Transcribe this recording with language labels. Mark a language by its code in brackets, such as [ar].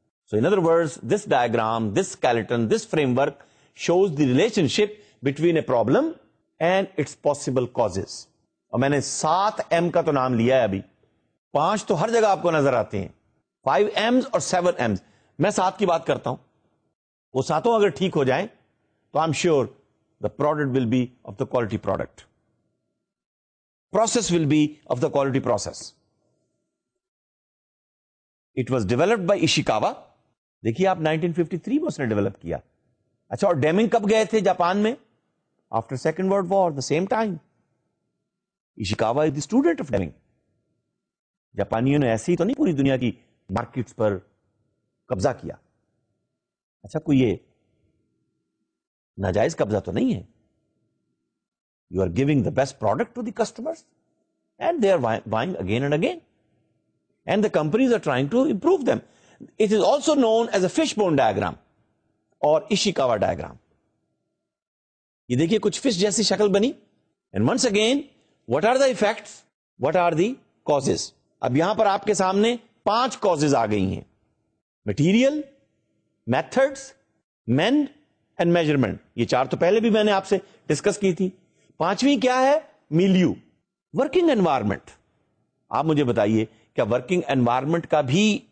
[en] So in other words, this diagram, this skeleton, this framework shows the relationship between a problem and its possible causes. [ur] اور میں نے 7M کا تو نام لیا ہے, ابھی 5 تو ہر جگہ آپ کو نظر آتے ہیں, 5M's اور 7M's. میں 7 کی بات کرتا ہوں, وہ ساتوں اگر ٹھیک ہو جائیں تو [en] I'm sure the product will be of the quality product, process will be of the quality process. It was developed by Ishikawa, [ur] دیکھیے آپ 1953 میں اس نے ڈیولپ کیا. اچھا اور ڈیمنگ کب گئے تھے جاپان میں, [en] After second world war, the same time. Ishikawa is the student of Deming. [ur] جاپانیوں نے ایسے ہی تو نہیں پوری دنیا کی مارکیٹس پر قبضہ کیا. اچھا کوئی یہ ناجائز قبضہ تو نہیں ہے, [en] You are giving the best product to the customers and they are buying again and again and the companies are trying to improve them. It is also known as a fish bone diagram اور Ishikawa diagram. [ur] یہ دیکھیے کچھ fish جیسی شکل بنی, [en] And once again what are the effects, what are the causes. [ur] اب یہاں پر آپ کے سامنے 5 کازز آ گئی ہیں, material, methods, main and measurement. یہ 4 تو پہلے بھی میں نے آپ سے ڈسکس کی تھی, 5ویں کیا ہے, ملیو, ورکنگ انوائرمنٹ. آپ مجھے بتائیے کیا ورکنگ انوائرمنٹ کا بھی